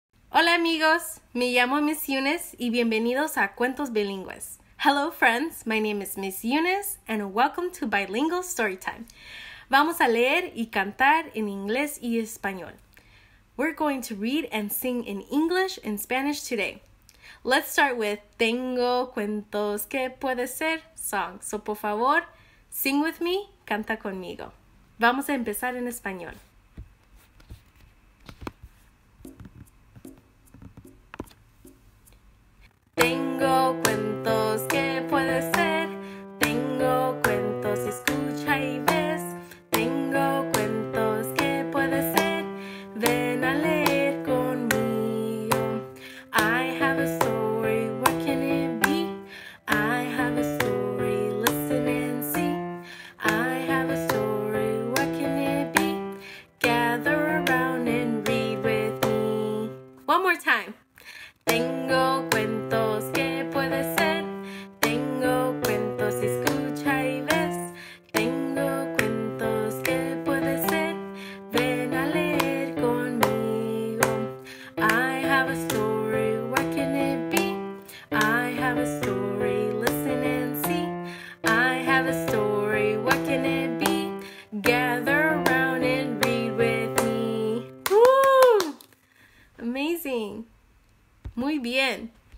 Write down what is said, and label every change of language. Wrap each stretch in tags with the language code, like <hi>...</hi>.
<es>Hola amigos, me llamo Miss Yunes y bienvenidos a Cuentos Bilingües.</es> <en>Hello friends, my name is Miss Yunes and welcome to Bilingual Storytime.</en> <es>Vamos a leer y cantar en inglés y español.</es> <en>We're going to read and sing in English and Spanish today. Let's start with Tengo cuentos que puede ser song. So</en> <es>por favor,</es> <en>sing with me,</en> <es>canta conmigo. Vamos a empezar en español. Tengo cuentos que puede ser, tengo cuentos, escucha y ves. Tengo cuentos que puede ser, ven a leer conmigo.</es> <en>I have a story, what can it be? I have a story, listen and see. I have a story, what can it be? Gather around and read with me. One more time.</en> <es>Tengo cuentos que puede ser, tengo cuentos, escucha y ves. Tengo cuentos que puede ser, ven a leer conmigo.</es> <en>I have a story, what can it be? I have a story, listen and see. I have a story, what can it be? Gather around and read with me. Woo! Amazing.</en> <es>Muy bien.</es>